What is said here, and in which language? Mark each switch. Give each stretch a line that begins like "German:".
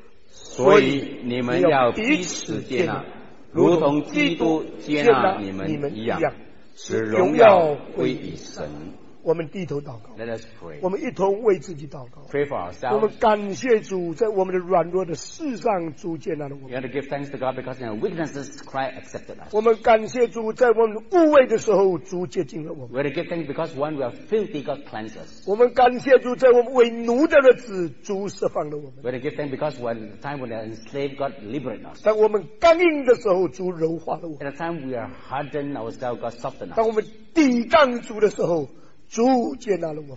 Chinese: 所以你们要彼此接纳，如同基督接纳你们一样，使荣耀归于神。我们低头祷告
English: Let us pray.
Chinese: 我们一同为自己祷告
English: pray for ourselves.
Chinese: 我们感谢主在我们的软弱的世上主接纳了我们
English: You have to give thanks to God because in our weaknesses Christ accepted us.
Chinese: 我们感谢主在我们污秽的时候主接近了我们
English: We have to give thanks because when we are filthy God cleanses us.
Chinese: 我们感谢主在我们为奴的日子主释放了我们
English: We have to give thanks because when the time when we are enslaved God liberates us.
Chinese: 当我们刚硬的时候主柔化了我们
English: At the time we are hardened ourselves God softened us.
Chinese: 当我们抵抗主的时候主接纳了我们